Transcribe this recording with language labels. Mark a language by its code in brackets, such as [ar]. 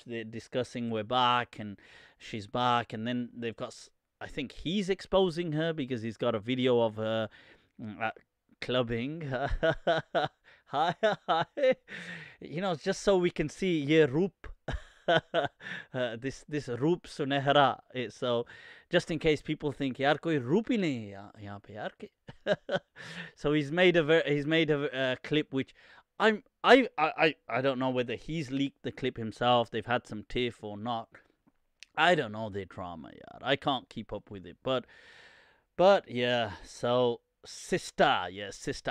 [en] They're discussing we're back and she's back. And then they've got, I think he's exposing her because he's got a video of her clubbing. Hi. You know, just so we can see, yeah, Roop. this Roop Sunehra. So just in case people think [ur] یار کوئی روپ ہی نہیں یہاں پے یار کے. [en] So he's made a clip which I don't know whether he's leaked the clip himself, they've had some tiff or not. I don't know their drama, yaar. I can't keep up with it, but yeah, so sister, yeah, sister.